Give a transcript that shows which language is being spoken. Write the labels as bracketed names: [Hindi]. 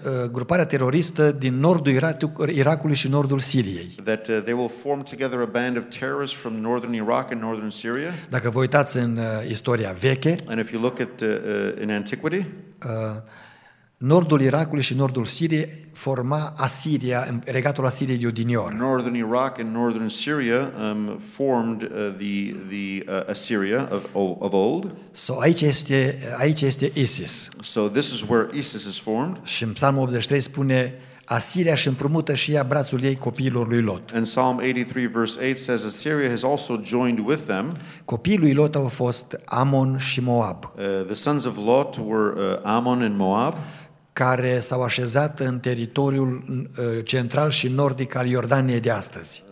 [Romanian] Gruparea teroristă din nordul Irakului și nordul Siriei. [English] That they will form together a band of terrorists from northern Iraq and northern Syria. [Romanian] Dacă vă uitați în istoria veche, [English] and if you look at in antiquity, [Romanian] nordul Irakului și nordul Siriei forma Asiria, regatul Asiriei de odinioară. [English] Northern Iraq and northern Syria formed the Assyria of old. [Romanian] So aici este ISIS. [English] So this is where ISIS is formed. [Romanian] Și în Psalmul 83 spune Asiria și împrumută și ea brațul ei copiilor lui Lot. [English] And Psalm 83 verse 8 says Assyria has also joined with them. [Romanian] Copiii lui Lot au fost Amon și Moab. [English] The sons of Lot were Amon and Moab, [Romanian] care s-au așezat în teritoriul central și nordic al Iordaniei de astăzi.